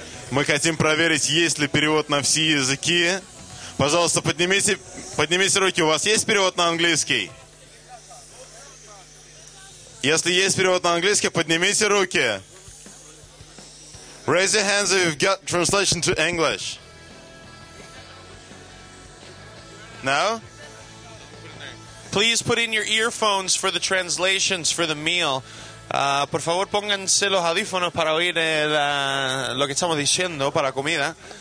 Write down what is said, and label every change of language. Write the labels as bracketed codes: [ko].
[ru] Мы хотим проверить, есть ли перевод на все языки. Пожалуйста, поднимите руки. У вас есть перевод на английский? Если есть перевод на английский, поднимите руки. [en] Raise your hands if you've got translation to English. No? Please put in your earphones for the translations for the meal. [es] Por favor, pónganse los audífonos para oír lo que estamos diciendo para comida.